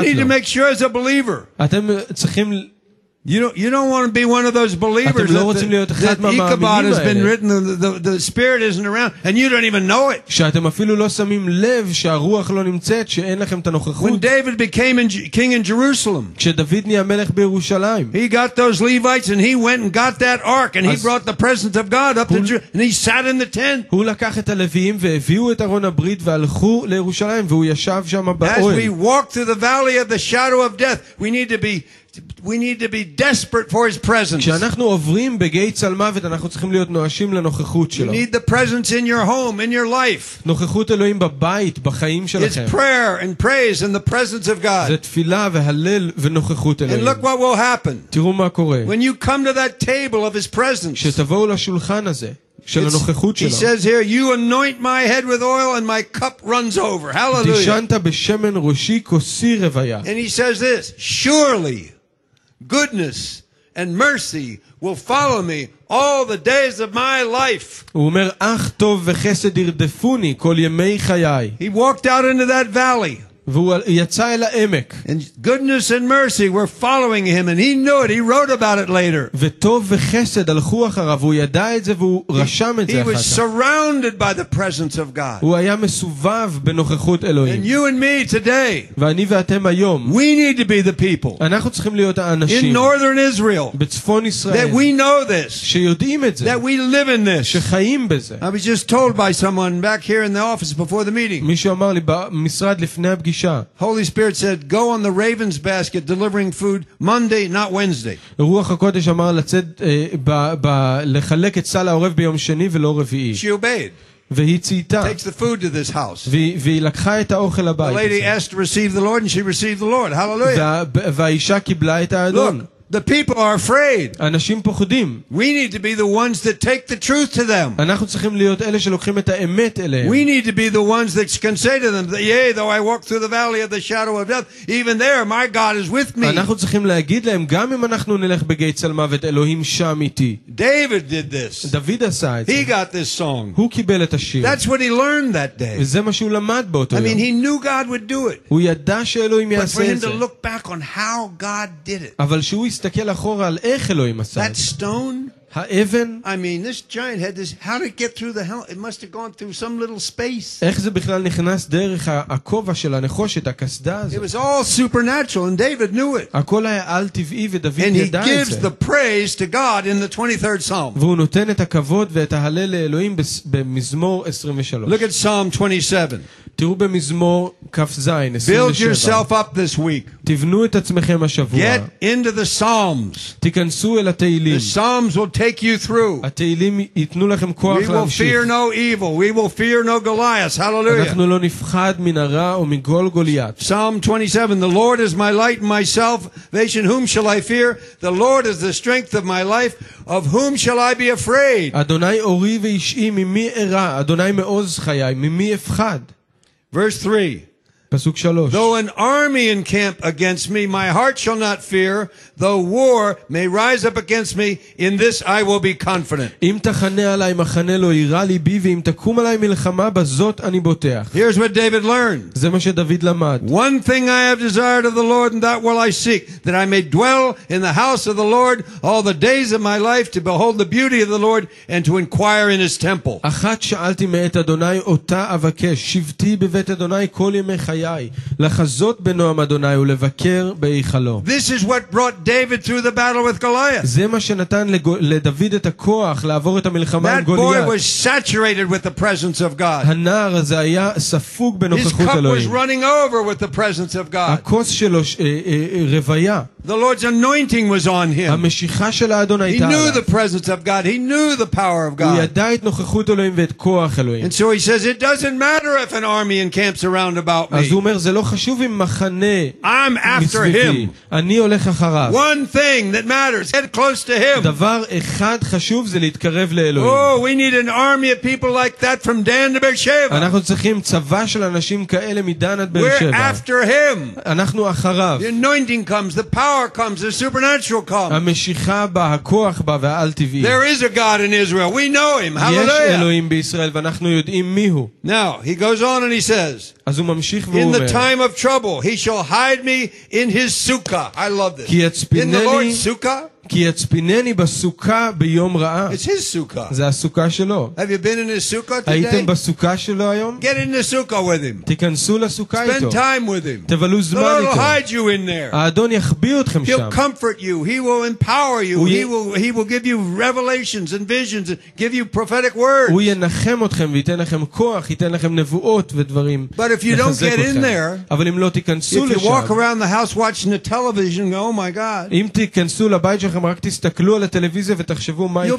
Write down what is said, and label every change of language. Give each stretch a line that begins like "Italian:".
English: You need to make sure as a believer.
Hebrew: אתם צריכים
English: You don't want to be one of those believers that Ichabod has been written the spirit isn't around and you don't even know it.
Hebrew: שאתם אפילו לא שמים לב שהרוח לא נמצאת שאין לכם את הנוכחות.
English: When David became king in Jerusalem.
Hebrew: כשדוד נהיה מלך בירושלים.
English: He got those Levites and he went and got that ark and he brought the presence of God up to and he sat in the tent.
Hebrew: הוא לקח את הלויים והביאו את ארון הברית והלכו לירושלים והוא ישב שם באוהל.
English: As we walk through the valley of the shadow of death, we need to be desperate for his presence.
Hebrew: כשאנחנו עוברים בגיא של מוות אנחנו צריכים להיות נואשים לנוכחות שלו.
English: You need the presence in your home, in your life.
Hebrew: נוכחות אלוהים בבית, בחיים שלכם.
English: It's prayer and praise and the presence of God.
Hebrew: זה תפילה והלל ונוכחות אלוהים.
English: And look what will happen.
Hebrew: תראו מה קורה.
English: When you come to that table of his presence.
Hebrew: כשתבואו לשולחן הזה של הנוכחות שלו.
English: He says here, you anoint my head with oil and my cup runs over. Hallelujah.
Hebrew: דשנת בשמן ראשי כוסי רוויה.
English: And he says this, surely goodness and mercy will follow me all the days of my life.
Hebrew: הוא אומר אך טוב וחסד ירדפוני כל ימי חיי.
English: He walked out into that valley.
Hebrew: והוא יצא אל העמק.
English: And goodness and mercy were following him and he knew it. He wrote about it later.
Hebrew: וטוב וחסד הלכו אחריו והוא ידע את זה והוא רשם את זה אחר כך.
English: He was surrounded by the presence of God.
Hebrew: הוא היה מסובב בנוכחות אלוהים.
English: And you and me today.
Hebrew: ואני ואתם היום.
English: We need to be the people.
Hebrew: אנחנו צריכים להיות האנשים.
English: In northern Israel.
Hebrew: בצפון ישראל.
English: That we know this.
Hebrew: שיודעים את זה.
English: That we live in this.
Hebrew: שחיים בזה.
English: I was just told by someone back here in the office before the meeting.
Hebrew: מישהו אמר לי במשרד לפני הפגישה.
English: Holy Spirit said go on the raven's basket delivering food Monday not Wednesday.
Hebrew: רוח הקודש אמר לצאת לחלק את סל העורב ביום שני ולא רביעי.
English: She obeyed.
Hebrew: והיא צייתה.
English: Takes the food to this house.
Hebrew: והיא לקחה את האוכל הבית.
English: Lady Esther received the Lord and she received the Lord. Hallelujah.
Hebrew: והאישה קיבלה את האדון.
English: The people are afraid.
Hebrew: אנשים פוחדים.
English: We need to be the ones that take the truth to them.
Hebrew: אנחנו צריכים להיות אלה שלוקחים את האמת אליהם.
English: We need to be the ones that can say to them, "Yea, though I walk through the valley of the shadow of death, even there my God is with me."
Hebrew: אנחנו צריכים להגיד להם גם אם אנחנו נלך בגיא של מוות, אלוהים שם איתי.
English: David did this.
Hebrew: דוד עשה את זה.
English: He got this song.
Hebrew: הוא קיבל את השיר.
English: That's what he learned that day.
Hebrew: וזה מה שהוא למד באותו יום.
English: I mean, he knew God would do it.
Hebrew: הוא ידע שאלוהים יעשה את זה.
English: But for him to look back on how God did it.
Hebrew: אבל שהוא תסתכל אחורה על איך אלוהים עשה את זה.
English: That stone?
Hebrew: האבן?
English: I mean, this giant had this... How did it get through the hell? It must have gone through some little space.
Hebrew: איך זה בכלל נכנס דרך הכובע של הנחושת, הקסדה הזאת?
English: It was all supernatural, and David knew it.
Hebrew: הכל היה על טבעי, ודוד ידע את זה.
English: And he gives the praise to God in the 23rd Psalm.
Hebrew: והוא נותן את הכבוד ואת ההלל לאלוהים במזמור 23.
English: Look at Psalm 27.
Hebrew: תראו במזמור כף זין 27.
English: Build yourself up this week.
Hebrew: תבנו את עצמכם השבוע.
English: Get into the Psalms.
Hebrew: תיכנסו אל התהילים.
English: The Psalms will take you through.
Hebrew: התהילים ייתנו לכם כוח להמשיך.
English: We will fear no evil. We will fear no Goliath. Hallelujah.
Hebrew: אנחנו לא נפחד מן הרע או מגול גוליית.
English: Psalm 27. The Lord is my light and my salvation. Whom shall I fear? The Lord is the strength of my life. Of whom shall I be afraid?
Hebrew: אדוני אורי ואישי, ממי אירא? אדוני מעוז חיי, ממי אפחד?
English: Verse 3.
Hebrew: פסוק 3.
English: Though an army encamp against me, my heart shall not fear. Though war may rise up against me, in this I will be confident.
Hebrew: אם תחנה עליי מחנה לא יירא ליבי, ואם תקום עליי מלחמה, בזאת אני בוטח.
English: Here's what David learned.
Hebrew: זה מה שדוד למד.
English: One thing I have desired of the Lord, and that will I seek, that I may dwell in the house of the Lord all the days of my life, to behold the beauty of the Lord and to inquire in his temple.
Hebrew: אחת שאלתי מאת אדוני אותה אבקש, שבתי בבית אדוני כל ימי חיי, לחזות בנועם אדוני ולבקר בהיכלו.
English: This is what brought David through the battle with Goliath.
Hebrew: זה מה שנתן לדוד את הכוח לעבור את המלחמה עם גוליית.
English: That boy was saturated with the presence of God.
Hebrew: הנער הזה היה ספוג בנוכחות אלוהים.
English: His cup was running over with the presence of God.
Hebrew: הכוס שלו רוויה.
English: The Lord's anointing was on him.
Hebrew: המשיכה של האדון הייתה עליו.
English: He knew the presence of God. He knew the power of God.
Hebrew: הוא ידע את נוכחות אלוהים ואת כוח אלוהים.
English: And so he says, it doesn't matter if an army encamps around about me.
Hebrew: אז הוא אומר, זה לא חשוב אם מחנה מסביבי.
English: I'm after him.
Hebrew: אני הולך אחריו.
English: One thing that matters, get close to him.
Hebrew: דבר אחד חשוב זה להתקרב לאלוהים.
English: Oh, we need an army of people like that from Dan to Beersheba.
Hebrew: אנחנו צריכים צבא של אנשים כאלה מדן עד באר שבע.
English: We're after him.
Hebrew: אנחנו אחריו.
English: The anointing comes, the power comes, the supernatural comes.
Hebrew: המשיחה בה, הכוח בה והעל טבעי.
English: There is a God in Israel. We know him. Hallelujah.
Hebrew: יש אלוהים בישראל ואנחנו יודעים מי הוא.
English: Now, he goes on and he says,
Hebrew: אז הוא ממשיך ואומר,
English: in the time of trouble, he shall hide me in his sukkah. I love this.
Hebrew: כי יצפינני,
English: in the Lord's sukkah?
Hebrew: כי יצפינני בסוכה ביום רעה.
English: It's his sukkah.
Hebrew: זה הסוכה שלו.
English: Have you been in his sukkah today?
Hebrew: הייתם בסוכה שלו היום?
English: Get in the sukkah with him.
Hebrew: תיכנסו לסוכה איתו.
English: Spend time with him.
Hebrew: תבלו זמן איתו.
English: The Lord will hide you in there.
Hebrew: האדון יחביא אתכם שם.
English: He'll comfort you. He will empower you. He will give you revelations and visions and give you prophetic words.
Hebrew: הוא ינחם אתכם ויתן לכם כוח, ייתן לכם נבואות ודברים.
English: But if you don't get in there,
Hebrew: אבל אם לא תיכנסו לשם,
English: if you walk around the house watching the television, oh my God.
Hebrew: אם תיכנסו לבית שלכם רק תסתכלו על הטלוויזיה ותחשבו מה יקרה.